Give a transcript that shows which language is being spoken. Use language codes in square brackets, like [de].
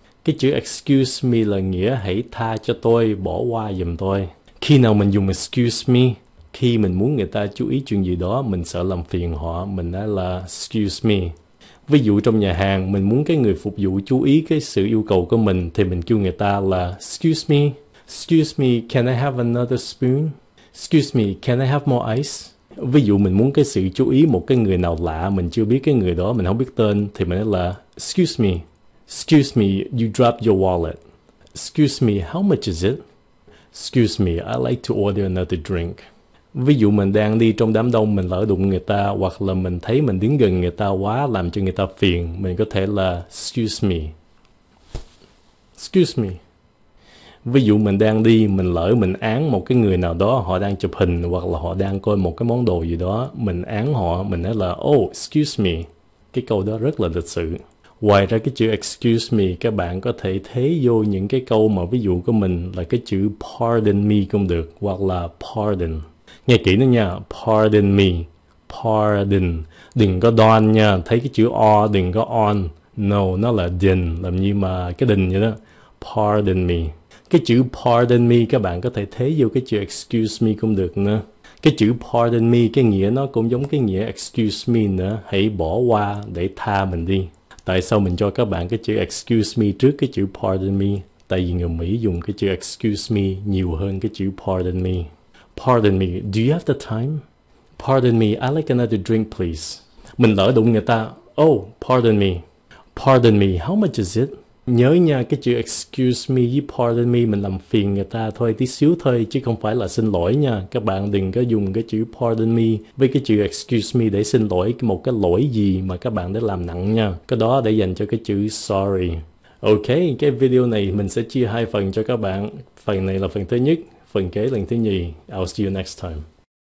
[vi] Cái chữ excuse me là nghĩa hãy tha cho tôi, bỏ qua giùm tôi. Khi nào mình dùng excuse me? Khi mình muốn người ta chú ý chuyện gì đó, mình sợ làm phiền họ, mình nói là excuse me. Ví dụ trong nhà hàng, mình muốn cái người phục vụ chú ý cái sự yêu cầu của mình, thì mình kêu người ta là excuse me. [en] Excuse me, can I have another spoon? Excuse me, can I have more ice? [vi] Ví dụ mình muốn cái sự chú ý một cái người nào lạ, mình chưa biết cái người đó, mình không biết tên, thì mình nói là excuse me. [en] Excuse me, you dropped your wallet. Excuse me, how much is it? Excuse me, I'd like to order another drink. [vi] Ví dụ mình đang đi trong đám đông mình lỡ đụng người ta hoặc là mình thấy mình đứng gần người ta quá làm cho người ta phiền mình có thể là excuse me. Excuse me. Ví dụ mình đang đi, mình lỡ mình án một cái người nào đó, họ đang chụp hình hoặc là họ đang coi một cái món đồ gì đó, mình án họ, mình nói là [en] oh, excuse me. [vi] Cái câu đó rất là lịch sự. Ngoài ra cái chữ excuse me, các bạn có thể thế vô những cái câu mà ví dụ của mình là cái chữ pardon me cũng được, hoặc là pardon. Nghe kỹ nữa nha, pardon me, pardon. Đừng có don nha, thấy cái chữ o, đừng có on. No, nó là đình, làm như mà cái đình vậy đó. Pardon me. Cái chữ pardon me các bạn có thể thế vô cái chữ excuse me cũng được nữa. Cái chữ pardon me cái nghĩa nó cũng giống cái nghĩa excuse me nữa, hãy bỏ qua để tha mình đi. Tại sao mình cho các bạn cái chữ excuse me trước cái chữ pardon me? Tại vì người Mỹ dùng cái chữ excuse me nhiều hơn cái chữ pardon me. [en] Pardon me, do you have the time? Pardon me, I'd like another drink please. [vi] Mình lỡ đụng người ta. [en] Oh, pardon me. Pardon me, how much is it? [vi] Nhớ nha, cái chữ excuse me với pardon me mình làm phiền người ta thôi, tí xíu thôi, chứ không phải là xin lỗi nha. Các bạn đừng có dùng cái chữ pardon me với cái chữ excuse me để xin lỗi một cái lỗi gì mà các bạn đã làm nặng nha. Cái đó để dành cho cái chữ sorry. Ok, cái video này mình sẽ chia hai phần cho các bạn. Phần này là phần thứ nhất, phần kế lần thứ nhì. [en] I'll see you next time.